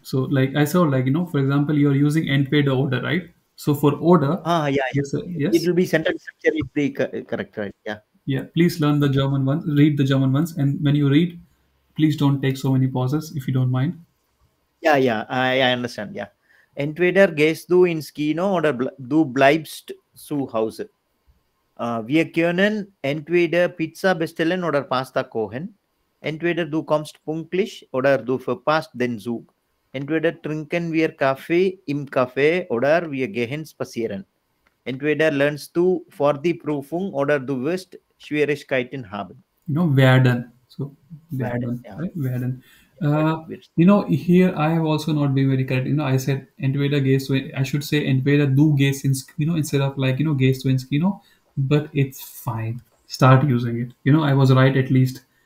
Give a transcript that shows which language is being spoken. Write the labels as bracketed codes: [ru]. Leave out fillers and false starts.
[en] So, like I saw, like, you know, for example, you're using entweder order, right? So for order, yes. It will be sentence structure if they correct, right? Yeah. Yeah. Please learn the German ones, read the German ones. And when you read, please don't take so many pauses if you don't mind. Yeah. I understand. Yeah. [de] Entweder gehst du ins Kino oder du bleibst zu Hause. Wir können entweder Pizza bestellen oder Pasta kochen. Entweder du kommst pünktlich oder du verpasst den Zug. Entweder trinken wir Kaffee im Café oder wir gehen spazieren. Entweder lernst du vor die Prüfung oder du wirst Schwierigkeiten haben. [en] You know, werden. So, werden. Right? Werden. You know, here I have also not been very correct. You know, I said [de] entweder gehst du, [en] I should say [de] entweder du gehst ins, [en] you know, instead of like, you know, [de] gehst du ins Kino. [en] But it's fine. Start using it. You know, I was right at least.